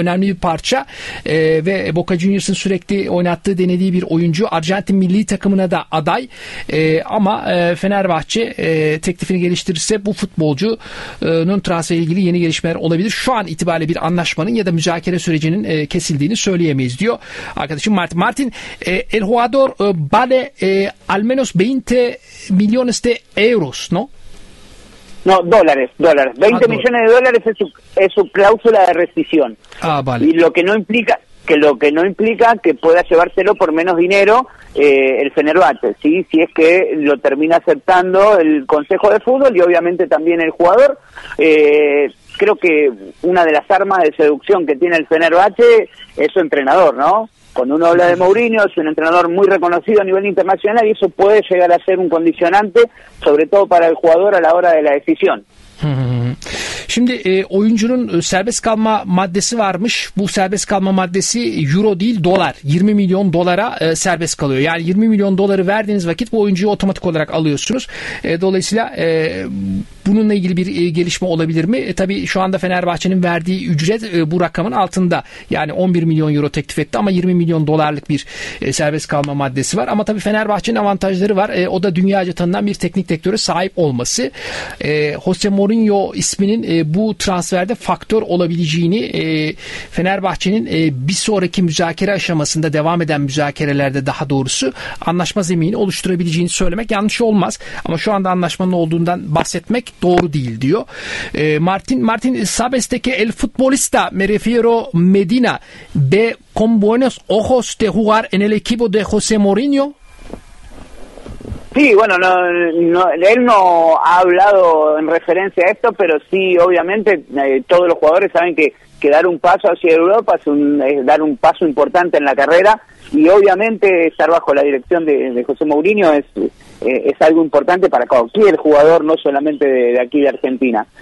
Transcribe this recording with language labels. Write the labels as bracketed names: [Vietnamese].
[Turkish] Önemli bir parça ve Boca Juniors'ın sürekli oynattığı, denediği bir oyuncu. Arjantin milli takımına da aday. Ama Fenerbahçe teklifini geliştirirse bu futbolcunun transferiyle ilgili yeni gelişmeler olabilir. Şu an itibariyle bir anlaşmanın ya da müzakere sürecinin kesildiğini söyleyemeyiz diyor arkadaşım Martin. [Spanish] Martin, el jugador vale al menos 20 millones de euros, ¿no? No, dólares. 20 millones de dólares es su cláusula de rescisión. Ah, vale. Y lo que no implica que pueda llevárselo por menos dinero el Fenerbahçe, ¿sí? Si es que lo termina aceptando el Consejo de Fútbol y obviamente también el jugador. Creo que una de las armas de seducción que tiene el Fenerbahçe es su entrenador, ¿no? Cuando uno habla de Mourinho, es un entrenador muy reconocido a nivel internacional y eso puede llegar a ser un condicionante, sobre todo para el jugador a la hora de la decisión. [Turkish] Şimdi oyuncunun serbest kalma maddesi varmış. Bu serbest kalma maddesi euro değil dolar. 20 milyon dolara serbest kalıyor. Yani 20 milyon doları verdiğiniz vakit bu oyuncuyu otomatik olarak alıyorsunuz. Dolayısıyla bununla ilgili bir gelişme olabilir mi? Tabii şu anda Fenerbahçe'nin verdiği ücret bu rakamın altında. Yani 11 milyon euro teklif etti ama 20 milyon dolarlık bir serbest kalma maddesi var. Ama tabii Fenerbahçe'nin avantajları var. O da dünyaca tanınan bir teknik direktöre sahip olması. Jose Mourinho isminin bu transferde faktör olabileceğini, Fenerbahçe'nin bir sonraki müzakere aşamasında, devam eden müzakerelerde daha doğrusu, anlaşma zemini oluşturabileceğini söylemek yanlış olmaz. Ama şu anda anlaşmanın olduğundan bahsetmek doğru değil diyor. [Spanish] Martin, ¿sabes de que el futbolista, me refiero Medina, ve con buenos ojos de jugar en el equipo de José Mourinho? Sí, bueno, no, él no ha hablado en referencia a esto, pero sí, obviamente, todos los jugadores saben que dar un paso hacia Europa es dar un paso importante en la carrera, y obviamente estar bajo la dirección de José Mourinho es algo importante para cualquier jugador, no solamente de aquí de Argentina.